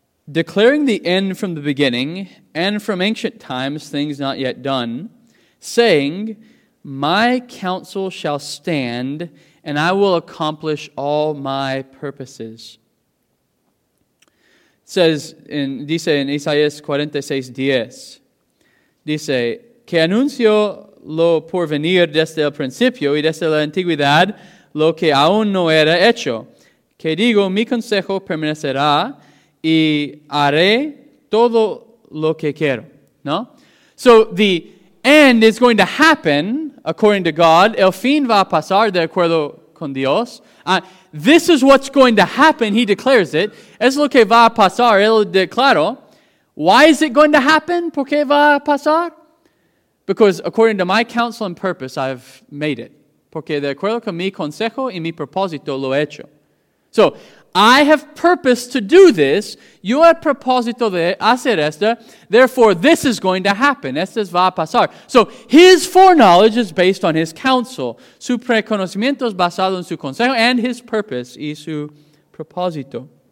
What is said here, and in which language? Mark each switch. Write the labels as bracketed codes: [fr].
[en] Declaring the end from the beginning, and from ancient times things not yet done, saying, my counsel shall stand, and I will accomplish all my purposes. It says, [es] dice en Isaías 46, 10, dice, que anuncio lo porvenir desde el principio y desde la antigüedad lo que aún no era hecho. Que digo, mi consejo permanecerá y haré todo lo que quiero. No? [en] So the end is going to happen according to God. [es] El fin va a pasar de acuerdo con Dios. [en] This is what's going to happen. He declares it. [es] Es lo que va a pasar. Él declaró. [en] Why is it going to happen? [es] ¿Por qué va a pasar? [en] Because according to my counsel and purpose, I've made it. [es] Porque de acuerdo con mi consejo y mi propósito, lo he hecho. [en] So, I have purpose to do this. [es] Yo he propósito de hacer esto. [en] Therefore, this is going to happen. [es] Esto va a pasar. [en] So, his foreknowledge is based on his counsel. [es] Su preconocimiento es basado en su consejo [en] and his purpose [es] y su propósito.